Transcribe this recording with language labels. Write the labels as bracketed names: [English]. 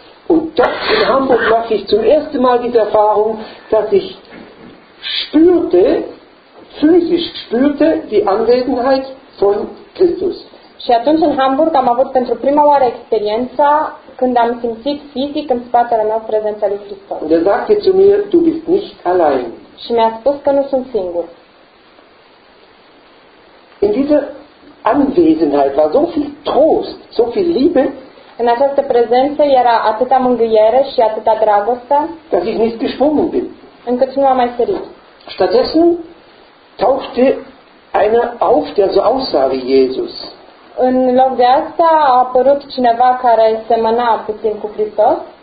[German] Und doch in Hamburg mache ich zum ersten Mal diese Erfahrung, dass ich spürte, physisch spürte, die Anwesenheit von Christus. [Romanian] Și atunci în Hamburg am avut pentru prima oară experiența când am simțit fizic în spatele meu prezența lui Hristos. [German] Und er sagte zu mir, du bist nicht allein. [Romanian] Și mi-a spus că nu sunt singur. [German] In dieser Anwesenheit war so viel Trost, so viel Liebe. [Romanian] În această prezență era atâta mângâiere și atâta dragoste. [German] Dass ich nicht gesprungen bin. [Romanian] Încât nu am mai sărit. [German] Stattdessen tauchte einer auf, der so aussah wie Jesus. [Romanian] În loc de asta a apărut cineva care semăna puțin cu Hristos.